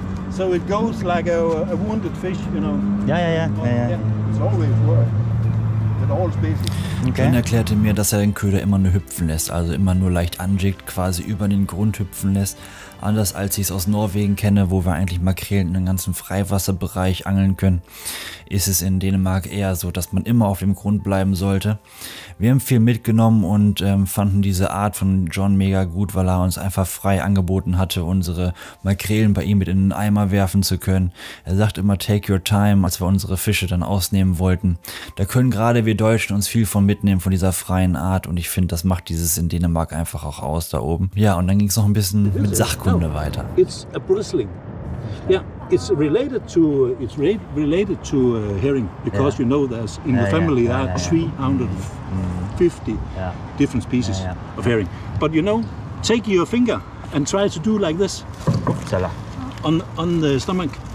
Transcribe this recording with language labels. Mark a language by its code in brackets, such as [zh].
[en] So it goes like a wounded fish, you know. Yeah. It's always work. Okay. [de] Dann erklärte mir, dass er den Köder immer nur hüpfen lässt, also immer nur leicht anjiggt, quasi über den Grund hüpfen lässt. Anders als ich es aus Norwegen kenne, wo wir eigentlich Makrelen in den ganzen Freiwasserbereich angeln können, ist es in Dänemark eher so, dass man immer auf dem Grund bleiben sollte. Wir haben viel mitgenommen und fanden diese Art von John mega gut, weil er uns einfach frei angeboten hatte, unsere Makrelen bei ihm mit in den Eimer werfen zu können. Er sagt immer, [en] take your time, [de] als wir unsere Fische dann ausnehmen wollten. Da können gerade wir Deutschen uns viel von mitnehmen, von dieser freien Art, und ich finde, das macht dieses in Dänemark einfach auch aus, da oben. Ja, und dann ging es noch ein bisschen mit Sachkunde weiter. [en] It's a bristling. Yeah, it's related to herring, because yeah. You know there's in the family there are 350 different species of herring. But you know, take your finger and try to do like this on the stomach.